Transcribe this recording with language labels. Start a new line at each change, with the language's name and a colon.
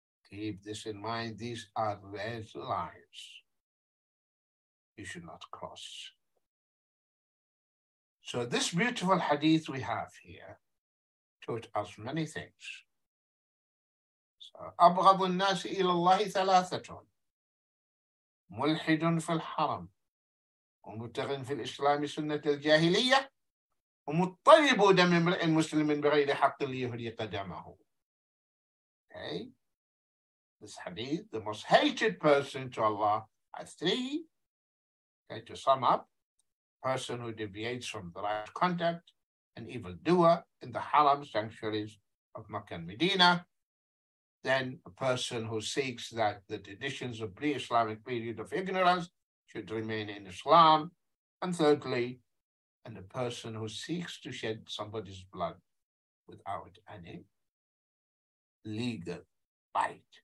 English: Keep this in mind. These are red lines you should not cross. So this beautiful hadith we have here taught us many things.
Arabic: So, أبغض الناس إلى الله ثلاثة ملحد في الحرم ومبتغ في الإسلام سنة الجاهلية ومطلب دم امرئ مسلم بغير حق ليهري قدمه.
English: Okay. This hadith, the most hated person to Allah are three. Okay, to sum up, person who deviates from the right conduct, an evildoer in the haram sanctuaries of Mecca and Medina, then a person who seeks that the traditions of pre-Islamic period of ignorance should remain in Islam, and thirdly, and a person who seeks to shed somebody's blood without any legal right.